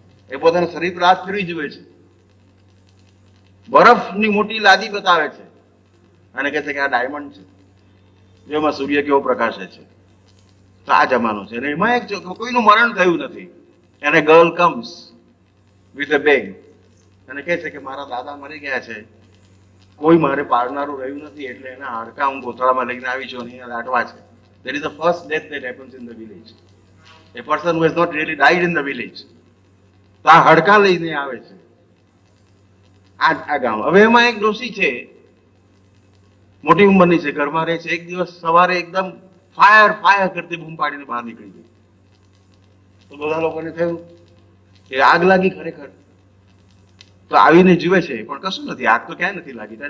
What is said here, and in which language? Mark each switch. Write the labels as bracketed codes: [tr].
[gu] એ પોતાનું શરીર પ્રાસ ફેરવી જુએ છે, બરફની મોટી લાદી બતાવે છે અને કહે છે કે આ ડાયમંડ છે જેમાં સૂર્ય કેવો પ્રકાશે છે. તો આ જમાનો છે. અને એમાં એક કોઈનું મરણ થયું નથી, એને [en] girl comes with a bag [gu] અને કહે છે કે મારા દાદા મરી ગયા છે, કોઈ મારે પાળનારું રહ્યું નથી, એટલે એના હાડકા હું ગોથાળામાં લઈને આવી છું અને અહીંયા લાટવા છે. [en] There is the first death that happens in the village. A person who has not really died in the village. [gu] તા હડકા લઈને આવે છે આ આ ગામ. હવે એમાં એક ડોસી છે, મોટી ઉંમરની છે, ઘરમાં રહે છે. એક દિવસ સવારે એકદમ ફાયર ફાયર કરતી બૂમ પાડીને બહાર નીકળી ગઈ. તો બધા લોકોને થયું કે આગ લાગી ખરેખર, તો આવીને જીવે છે પણ કશું નથી, આગ તો ક્યાંય નથી લાગી.